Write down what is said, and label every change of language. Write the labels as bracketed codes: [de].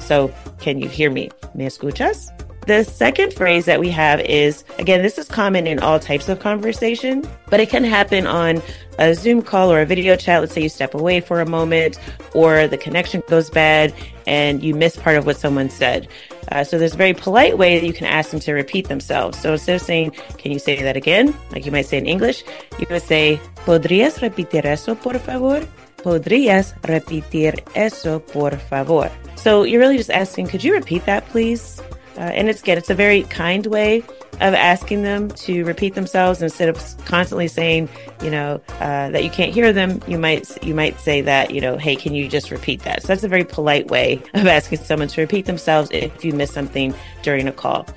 [en] So can you hear me? [es] ¿Me escuchas? [en] The second phrase that we have is, again, this is common in all types of conversation, but it can happen on a Zoom call or a video chat. Let's say you step away for a moment or the connection goes bad and you miss part of what someone said. So there's a very polite way that you can ask them to repeat themselves. So instead of saying, can you say that again? Like you might say in English, you would say, [es] ¿podrías repetir eso, por favor? ¿Podrías repetir eso, por favor? [en] So you're really just asking, could you repeat that, please? And it's good. It's a very kind way of asking them to repeat themselves instead of constantly saying, you know, that you can't hear them. You might say that, you know, hey, can you just repeat that? So that's a very polite way of asking someone to repeat themselves if you miss something during a call.